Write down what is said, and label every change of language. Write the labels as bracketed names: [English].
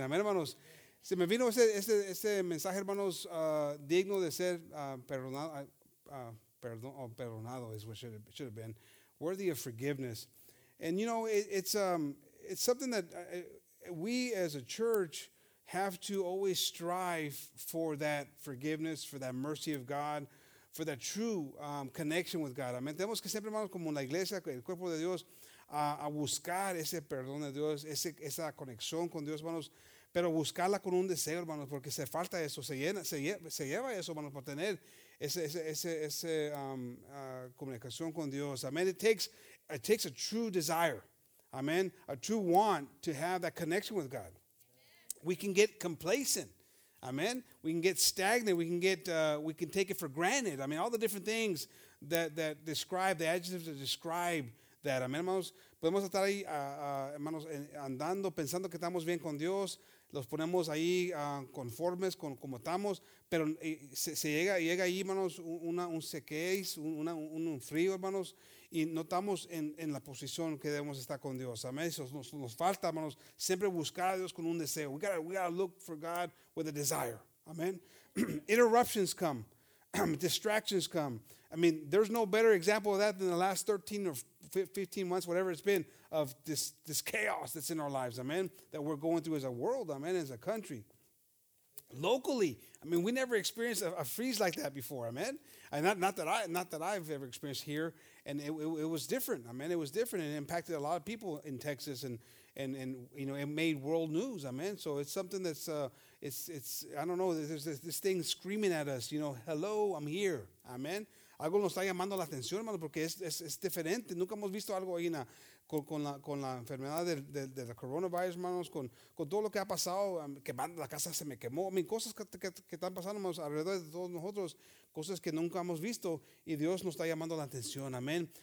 [Spanish] Amen, hermanos. Se me vino este mensaje, hermanos, digno de ser perdonado [English] is what should have been. Worthy of forgiveness. And, you know, it's something that... we as a church have to always strive for that forgiveness, for that mercy of God, for that true connection with God. Amen. [Spanish] Tenemos que siempre, hermanos, como en la iglesia, el cuerpo de Dios, a buscar ese perdón de Dios, esa conexión con Dios, hermanos. pero buscarla con un deseo, hermanos, porque se falta eso, se lleva eso, hermanos, por tener esa comunicación con Dios. Amen. [English] It takes a true desire, amen, a true want to have that connection with God. Amen. We can get complacent, amen. We can get stagnant. We can take it for granted. I mean, all the different things that describe, the adjectives that describe that. [Spanish] Amen, hermanos. Podemos estar ahí, hermanos, andando, pensando que estamos bien con Dios. Los ponemos ahí conformes con como estamos. Pero se llega ahí, hermanos, un frío, hermanos. Y no estamos en la posición que debemos estar con Dios. Amén. Eso nos falta, hermanos. Siempre buscar a Dios con un deseo. [English] We gotta look for God with a desire. Amen. Interruptions come. Distractions come. I mean, there's no better example of that than the last 13 or 15 months, whatever it's been, of this chaos that's in our lives, amen, that we're going through as a world, amen, as a country. Locally, I mean, we never experienced a freeze like that before, amen. And not that I've ever experienced here, and it was different, amen. It was different and impacted a lot of people in Texas, and you know, it made world news, amen. So it's something that's it's I don't know. There's this thing screaming at us, you know, hello, I'm here, amen. [Spanish] Algo nos está llamando la atención, hermano, porque es diferente. Nunca hemos visto algo ahí con la enfermedad del coronavirus, hermanos, con todo lo que ha pasado, que la casa se me quemó. [English] I mean, [Spanish] cosas que están pasando, hermanos, alrededor de todos nosotros, cosas que nunca hemos visto, y Dios nos está llamando la atención, amén.